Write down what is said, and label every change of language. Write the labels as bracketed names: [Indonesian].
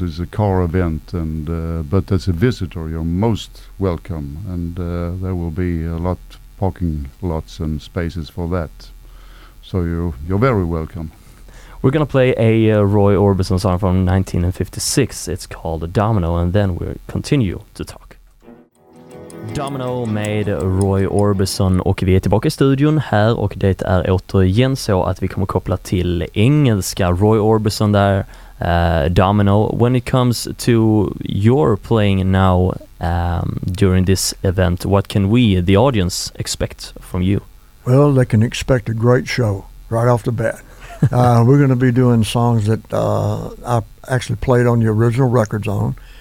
[English] It's a car event, and but as a visitor, you're most welcome, and there will be a lot parking lots and spaces for that. So you're very welcome. We're going to play a Roy Orbison song from 1956. It's called Domino, and then we'll continue to talk. [Swedish] Domino made Roy Orbison, och vi är tillbaka i studion här, och det är återigen så att vi kommer koppla till engelska. Roy Orbison där, Domino. [English] When it comes to your playing now, during this event, what can we, the audience, expect from you? Well, they can expect a great show right off the bat. We're going to be doing songs that I actually played on the original records on.